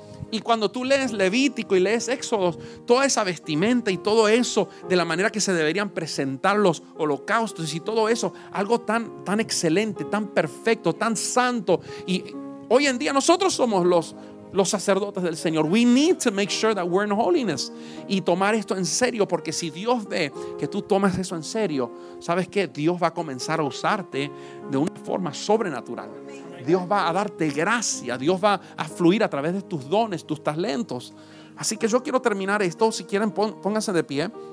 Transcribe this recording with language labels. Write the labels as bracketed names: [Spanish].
[Spanish] Y cuando tú lees Levítico y lees Éxodos, toda esa vestimenta y todo eso, de la manera que se deberían presentar los holocaustos y todo eso, algo tan, tan excelente, tan perfecto, tan santo. Y hoy en día nosotros somos los sacerdotes del Señor. [English] We need to make sure that we're in holiness. [Spanish] Y tomar esto en serio, porque si Dios ve que tú tomas eso en serio, ¿sabes qué? Dios va a comenzar a usarte de una forma sobrenatural. Dios va a darte gracia, Dios va a fluir a través de tus dones, tus talentos. Así que yo quiero terminar esto, si quieren pónganse de pie.